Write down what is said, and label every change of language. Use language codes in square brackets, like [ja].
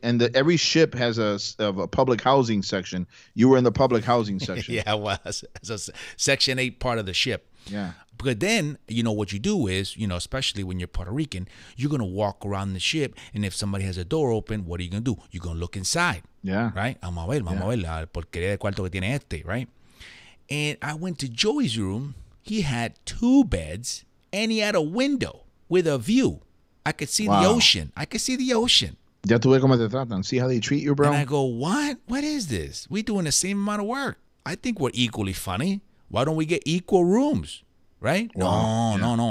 [en] And every ship has a public housing section. You were in the public housing section. Yeah, I was. It's a Section 8 part of the ship. Yeah. But then, you know, what you do is, you know, especially when you're Puerto Rican, you're going to walk around the ship, and if somebody has a door open, what are you going to do? You're going to look inside. Yeah. Right? [es] Vamos a ver la porquería de cuarto que tiene este, right? [en] And I went to Joey's room. He had two beds, and he had a window with a view. I could see the ocean. [es] Ya tuve cómo te tratan. [en] See how they treat you, bro? And I go, what? What is this? We doing the same amount of work. I think we're equally funny. Why don't we get equal rooms, right? No.